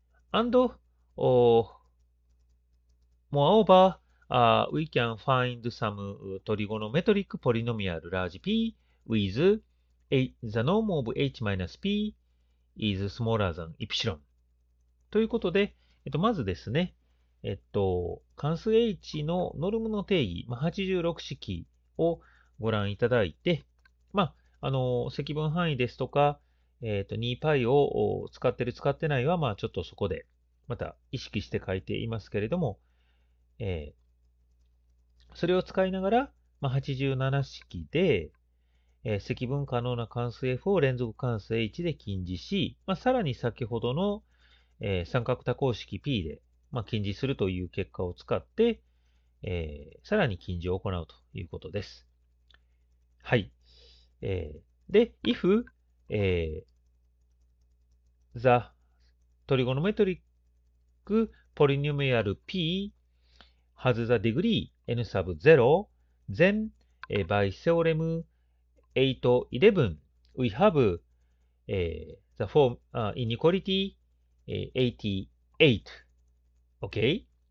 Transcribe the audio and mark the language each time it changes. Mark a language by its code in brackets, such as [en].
[en] And, moreover, we can find some trigonometric polynomial large p withThe norm of h minus p is smaller than epsilon. [ja] ということで、まずですね、関数 h のノルムの定義、まあ、86式をご覧いただいて、まあ、積分範囲ですとか、2π を使ってる使ってないは、まあ、ちょっとそこでまた意識して書いていますけれども、それを使いながら、まあ、87式で、積分可能な関数 F を連続関数 H で近似し、まあ、さらに先ほどの、三角多項式 P で、まあ、近似するという結果を使って、さらに近似を行うということです。はい。 [en] で、If、the trigonometric polynomial P has the degree n sub 0, then、by theorem 811, we have the form inequality 88. Okay?